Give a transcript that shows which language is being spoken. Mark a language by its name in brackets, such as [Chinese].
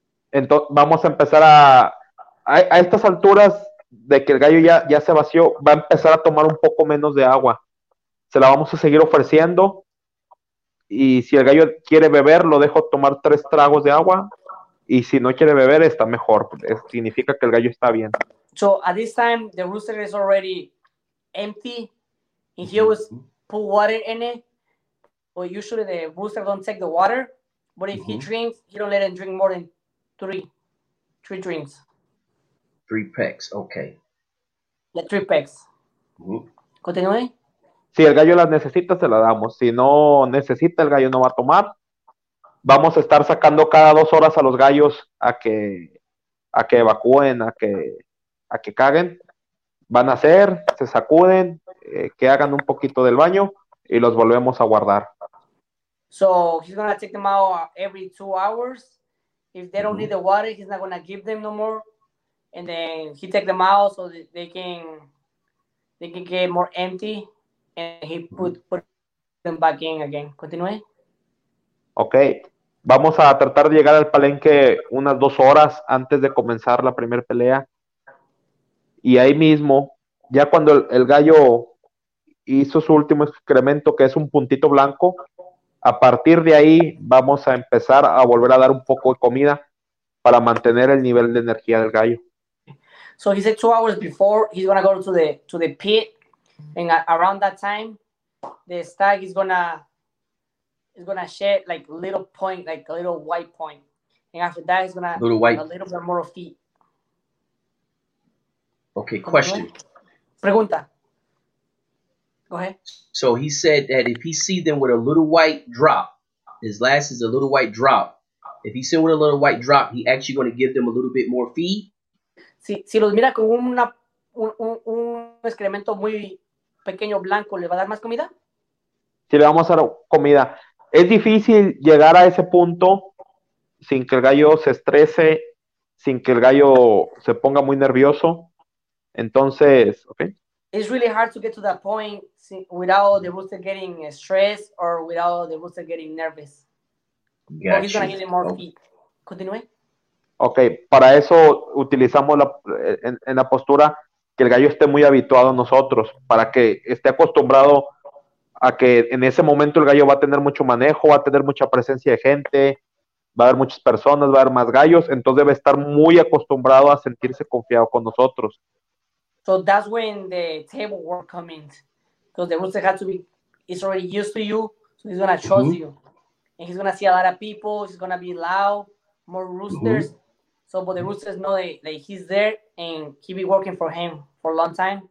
[Spanish] Entonces, vamos a empezar a estas alturas de que el gallo ya se vació, va a empezar a tomar un poco menos de agua. Se la vamos a seguir ofreciendo. Y si el gallo quiere beber, lo dejo tomar 3 tragos de agua. Y si no quiere beber, está mejor. Significa que el gallo está bien. [English] So, at this time, the rooster is already empty. And he always put water in it. But well, usually the rooster don't take the water. But if he drinks, he don't let him drink more than three drinks. 3 pecks, okay. The 3 pecks. [Spanish] Continúe. Si el gallo las necesita, se la damos. Si no necesita, el gallo no va a tomar. Vamos a estar sacando cada 2 horas a los gallos a que evacúen, a que caguen. Van a hacer, se sacuden, que hagan un poquito del baño y los volvemos a guardar. [English] So, he's going to take them out every 2 hours. If they don't need the water, he's not going to give them no more. And then he take them out so they can get more empty. and he put them back in again. [Spanish] Continúe. [English] Okay. [Spanish] Vamos a tratar de llegar al palenque unas dos horas antes de comenzar la primera pelea. Y ahí mismo, ya cuando el gallo hizo su último excremento, que es un puntito blanco, a partir de ahí vamos a empezar a volver a dar un poco de comida para mantener el nivel de energía del gallo. [English] So he said 2 hours before he's gonna go to the pit, and around that time, the stag is gonna shed like a little point, like a little white point, and after that he's gonna have a little bit more feet. Okay, question. [Spanish] Pregunta. [English] Go ahead. So he said that if he sees them with a little white drop, his last is a little white drop. If he sees them with a little white drop, he actually gonna give them a little bit more feet. [Spanish] Si los mira con un excremento muy pequeño blanco, ¿le va a dar más comida? Sí, le vamos a dar comida. Es difícil llegar a ese punto sin que el gallo se estrese, sin que el gallo se ponga muy nervioso. Entonces, okay. [English] It's really hard to get to that point without the rooster getting stressed or without the rooster getting nervous. Gotcha. But he's gonna give him more feet. [Spanish] Continúe. Okay, para eso utilizamos en la postura que el gallo esté muy habituado a nosotros, para que esté acostumbrado a que en ese momento el gallo va a tener mucho manejo, va a tener mucha presencia de gente, va a haber muchas personas, va a haber más gallos, entonces debe estar muy acostumbrado a sentirse confiado con nosotros. [English] So that's when the table work comes in, because the rooster has to be, he's already used to you, so he's gonna trust you, and he's gonna see a lot of people, he's gonna be loud, more roosters. So, but the roosters know that he's there and he'll be working for him for a long time.